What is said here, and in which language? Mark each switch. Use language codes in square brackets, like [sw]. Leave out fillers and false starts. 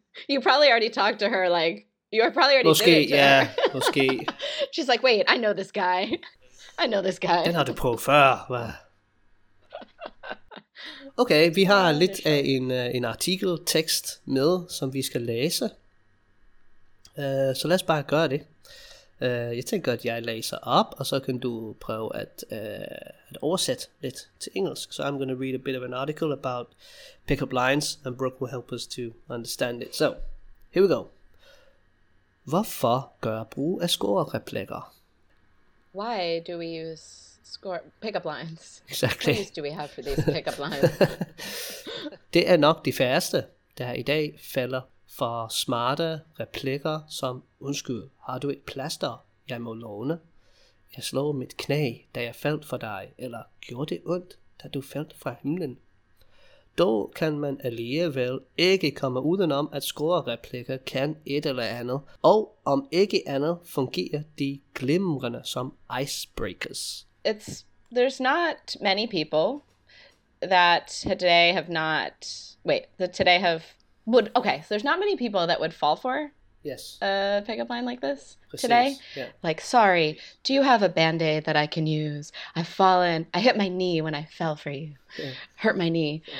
[en] You probably already talked to her, like, you probably already [da] måske, [en] did it to yeah, her. [da] Måske. [en] She's like, wait, I know this guy. [da] Den har du prøvet før. Okay, vi har lidt af en artikel, tekst med, som vi skal læse. Så lad os bare gøre det. Jeg tænker, at jeg læser op, og så kan du prøve at oversætte lidt til engelsk. [en] So I'm going to read a bit of an article about pickup lines, and Brooke will help us to understand it. So, here we go. [da] Hvorfor gør brug af score-replikker? [en] Why do we use pickup lines? Exactly. What use do we have for these pickup lines? [da] Det er nok de færreste. der i dag falder for smarte replikker som undskyld, har du et plaster, jeg må låne? Jeg slog mit knæ, da jeg faldt for dig, eller gjorde det ondt, da du faldt fra himlen? Dog kan man alligevel ikke komme udenom, at score replikker kan et eller andet, og om ikke andet fungerer de glimrende som icebreakers. [en] There's not many people that today have not, wait, that today have, would, okay, so there's not many people that would fall for yes. a pickup line like this Precise. Today. Yeah. Like, sorry, do you have a Band-Aid that I can use? I've fallen, I hit my knee when I fell for you. Yeah. Hurt my knee.